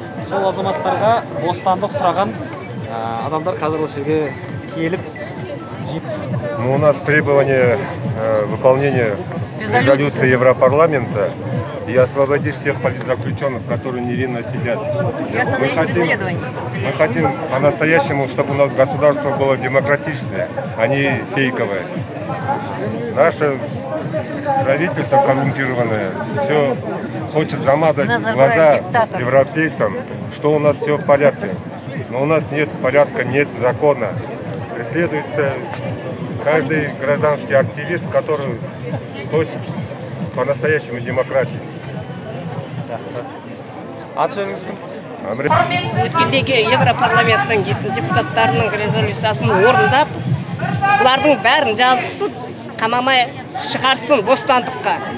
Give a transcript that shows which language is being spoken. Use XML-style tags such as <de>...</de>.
<kk>Сол азаматтарға бостандық сұраған адамдар қазір осы жерге келіп.</kk> <ru>Ну, у нас требование выполнения резолюции Европарламента и освободить всех политзаключенных, которые невинно сидят. Мы хотим по-настоящему, чтобы у нас государство было демократичное, а не фейковое. Наше правительство коррумпированное, все хочет замазать глаза европейцам, что у нас все в порядке. Но у нас нет порядка, нет закона. Преследуется каждый гражданский активист, который хочет по-настоящему демократии.</ru> <kk>Өткендегі Европарламенттің депутаттарының резолюциясын орындап, бұлардың бәрін жазықсыз қамамай шығарсын бостандыққа.</kk>